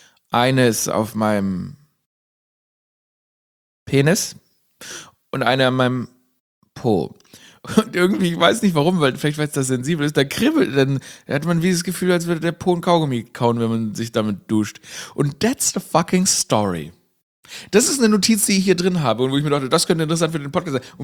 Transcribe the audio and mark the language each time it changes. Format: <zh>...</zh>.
<de>Eine ist auf meinem Penis und eine an meinem Po. Und irgendwie, ich weiß nicht warum, weil vielleicht, weil es da sensibel ist, da kribbelt, dann hat man wie das Gefühl, als würde der Po ein Kaugummi kauen, wenn man sich damit duscht. Und</de> <en>that's the fucking story.</en> <de>Das ist eine Notiz, die ich hier drin habe und wo ich mir dachte, das könnte interessant für den Podcast sein.</de>